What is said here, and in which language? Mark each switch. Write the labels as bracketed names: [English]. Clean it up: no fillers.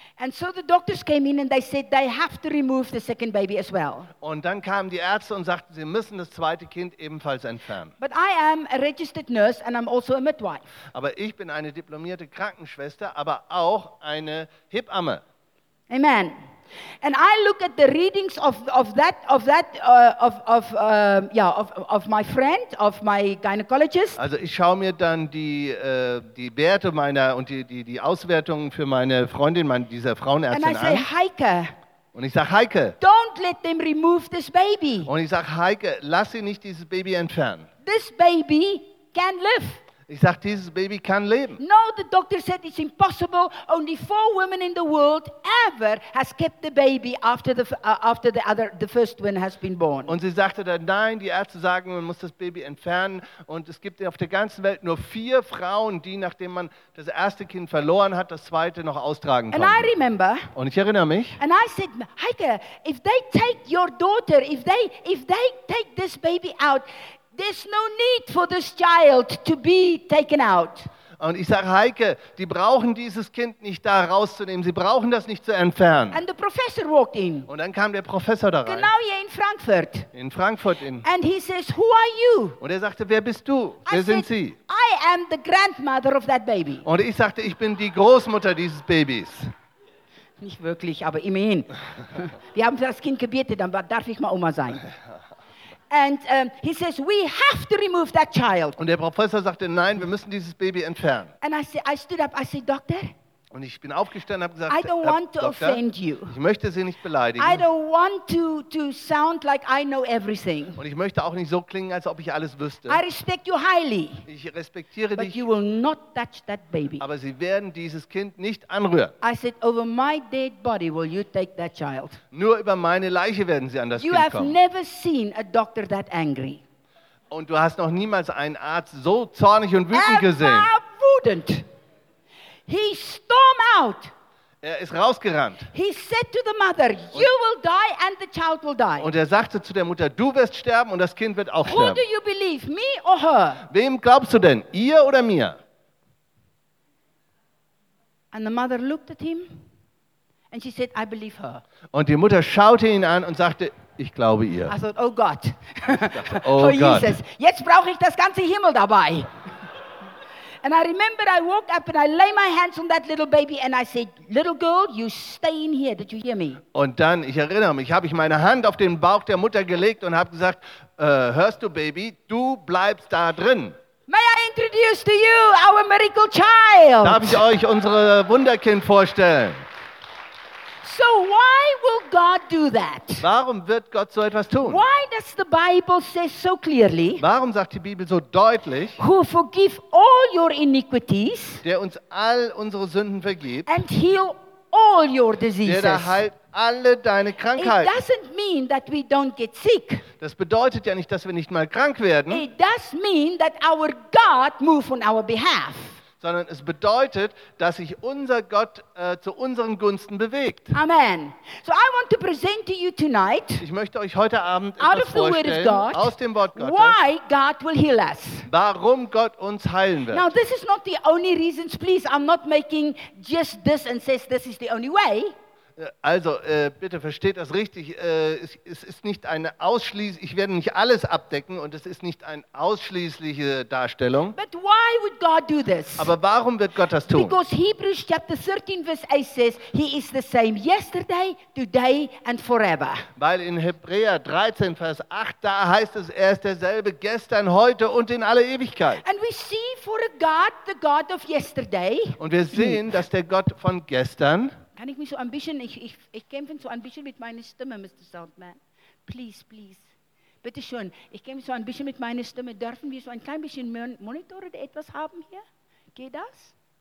[English] And so the doctors came in and they said they have to remove the second baby as well. [German] Und dann kamen die Ärzte und sagten, sie müssen das zweite Kind ebenfalls entfernen. [English] But I am a registered nurse and I'm also a midwife. [German] Aber ich bin eine diplomierte Krankenschwester, aber auch eine Hebamme. [English] Amen. And I look at the readings of my friend, of my gynecologist. [German] Also ich schaue mir dann die Werte meiner und die Auswertungen für meine Freundin, dieser Frauenärztin an. [English] And I say, Heike. [German] Und ich sag, Heike. [English] Don't let them remove this baby. [German] Und ich sag, Heike, lass sie nicht dieses Baby entfernen. [English] This baby can live. [German] Ich sag, dieses Baby kann leben. [English] No, the doctor said it's impossible. Only 4 women in the world ever has kept the baby after the first one has been born. [German] Und sie sagte dann, nein, die Ärzte sagen, man muss das Baby entfernen. Und es gibt auf der ganzen Welt nur 4 Frauen, die, nachdem man das erste Kind verloren hat, das zweite noch austragen konnten. [English] And I remember. [German] Und ich erinnere mich. [English] And I said, Heike, if they take your daughter, if they take this baby out, there's no need for this child to be taken out. [German] Und ich sage, Heike, die brauchen dieses Kind nicht da rauszunehmen. Sie brauchen das nicht zu entfernen. [English] And the professor walked in. [German] Und dann kam der Professor da rein. Genau hier in Frankfurt. In Frankfurt. In. [English] And he says, who are you? [German] Und er sagte, wer bist du? Wer sind Sie? [English] I am the grandmother of that baby. [German] Und ich sagte, ich bin die Großmutter dieses Babys. Nicht wirklich, aber immerhin. Wir haben das Kind gebetet, dann darf ich mal Oma sein. [English] And he says, we have to remove that child. [German] Und der Professor sagte, nein, wir müssen dieses Baby entfernen. [English] And I stood up, I said, Doctor. [German] Und ich bin aufgestanden und habe gesagt, [English] I don't want to offend you. [German] Ich möchte Sie nicht beleidigen. [English] I don't want to sound like I know everything. [German] Und ich möchte auch nicht so klingen, als ob ich alles wüsste. [English] I respect you highly. [German] Ich respektiere dich. [English] But you will not touch that baby. [German] Aber Sie werden dieses Kind nicht anrühren. [English] I said, over my dead body will you take that child. [German] Nur über meine Leiche werden Sie an das [English] you [German] Kind [English] have [German] kommen. [English] Never seen a doctor that angry. [German] Und du hast noch niemals einen Arzt so zornig und wütend gesehen. Er war wütend. [English] He stormed out. [German] Er ist rausgerannt. [English] He said to the mother, you will die and the child will die. [German] Und er sagte zu der Mutter, du wirst sterben und das Kind wird auch [English] Who [German] sterben. [English] Who do you believe, me or her? [German] Wem glaubst du denn, ihr oder mir? [English] And the mother looked at him and she said, I believe her. [German] Und die Mutter schaute ihn an und sagte, ich glaube ihr. [English] I thought, oh [German] Gott. [English] Oh Jesus. [German] Jetzt brauche ich das ganze Himmel dabei. [English] And I remember I woke up and I lay my hands on that little baby and I said, little girl, you stay in here, did you hear me? [German] Und dann, ich erinnere mich, habe ich meine Hand auf den Bauch der Mutter gelegt und habe gesagt, hörst du, Baby, du bleibst da drin. [English] May I introduce to you our miracle child? [German] Darf ich euch unsere Wunderkind vorstellen? [English] So why will God do that? [German] Warum wird Gott so etwas tun? [English] Why does the Bible say so clearly? [German] Warum sagt die Bibel so deutlich? [English] Who forgive all your iniquities? [German] Der uns all unsere Sünden vergibt. [English] And heal all your diseases. [German] Der heilt alle deine Krankheiten. [English] It doesn't mean that we don't get sick. [German] Das bedeutet ja nicht, dass wir nicht mal krank werden. [English] It does mean that our God move on our behalf. [German] Sondern es bedeutet, dass sich unser Gott zu unseren Gunsten bewegt. [English] Amen. So I want to present to you tonight, [German] ich möchte euch heute Abend etwas vorstellen, [English] out of the word of God, [German] aus dem Wort Gottes, [English] why God will heal us. [German] Warum Gott uns heilen wird. [English] Now this is not the only reasons, please, I'm not making just this and says this is the only way. [German] Also, bitte versteht das richtig, es ist nicht eine ausschließliche, ich werde nicht alles abdecken und es ist nicht eine ausschließliche Darstellung. [English] But why would God do this? [German] Aber warum wird Gott das tun? [English] Because Hebrews chapter 13 verse 8 says, he is the same yesterday, today and forever. [German] Weil in Hebräer 13 vers 8, da heißt es, er ist derselbe gestern, heute und in alle Ewigkeit. [English] And we see for a God, the God of yesterday. [German] Und wir sehen, dass der Gott von gestern. Kann ich mich so ein bisschen, ich kämpfe so ein bisschen mit meiner Stimme, [English] Mr. Soundman. Please, please. [German] Bitte schön, ich kämpfe so ein bisschen mit meiner Stimme. Dürfen wir so ein klein bisschen Monitor oder etwas haben hier? Geht das?